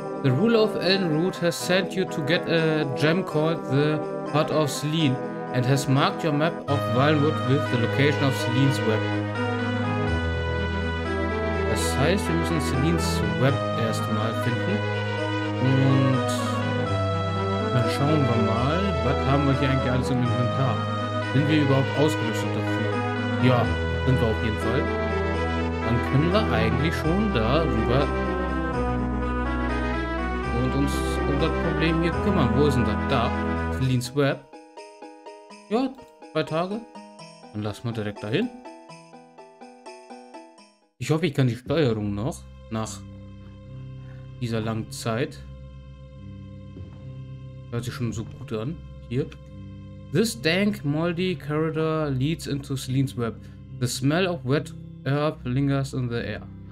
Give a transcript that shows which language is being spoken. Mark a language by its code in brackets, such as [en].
[en] The ruler of Elden Root has sent you to get a gem called the Heart of Selene and has marked your map of Wildwood with the location of Selene's Web. [de] Das heißt, wir müssen Selene's Web erstmal finden. Und dann schauen wir mal, was haben wir hier eigentlich alles im Inventar? Sind wir überhaupt ausgerüstet dafür? Ja, sind wir auf jeden Fall. Dann können wir eigentlich schon darüber und uns um das Problem hier kümmern. Wo ist denn das? Da. Selene's Web. Ja, 2 Tage. Dann lassen wir direkt dahin. Ich hoffe, ich kann die Steuerung noch nach dieser langen Zeit. Hört sich schon so gut an. Hier. [en] This dank, moldy corridor leads into Selene's Web. The smell of wet herb lingers in the air.